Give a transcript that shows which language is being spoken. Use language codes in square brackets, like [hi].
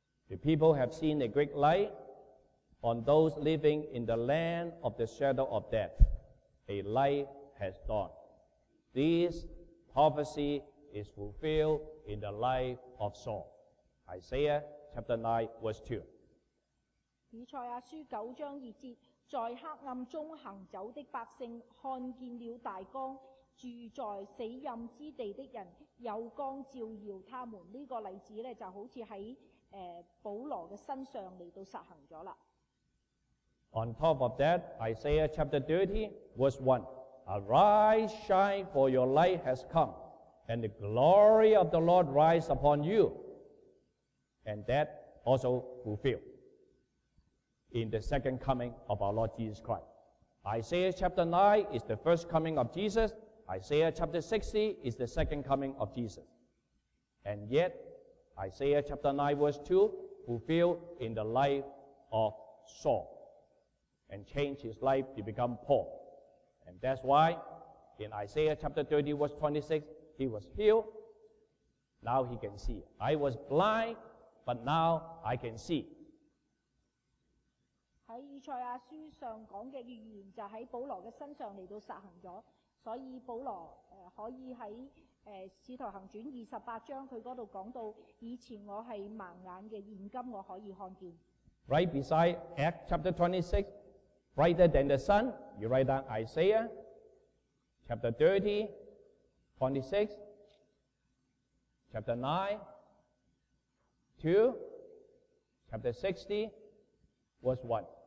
[en] The people have seen a great light on those living in the land of the shadow of death. A light has dawned. This prophecy is fulfilled in the life of Saul. Isaiah chapter 9 verse 2. [zh] 以赛亚书九章二节，在黑暗中行走的百姓看见了大光，住在死荫之地的人有光照耀他们。这个例子呢就好像在保罗的身上来到实行了。 [en] On top of that, Isaiah chapter 30, verse 1, Arise, shine, for your light has come, and the glory of the Lord rise upon you. And that also fulfilled. In the second coming of our Lord Jesus Christ. Isaiah chapter 9 is the first coming of Jesus. Isaiah chapter 60 is the second coming of Jesus. And yet, Isaiah chapter 9 verse 2 fulfilled in the life of Saul and changed his life to become Paul. And that's why in Isaiah chapter 30 verse 26, he was healed. Now he can see. I was blind, but now I can see. [zh] 在以赛亚书上讲的预言就在保罗的身上来到实行了，所以保罗可以在使徒行传28章他那里讲到，以前我是盲眼的，现今我可以看见。 [en] Right beside Acts chapter 26, brighter than the sun, you write down Isaiah chapter 30, 26, chapter 9, 2, chapter 60, verse 1.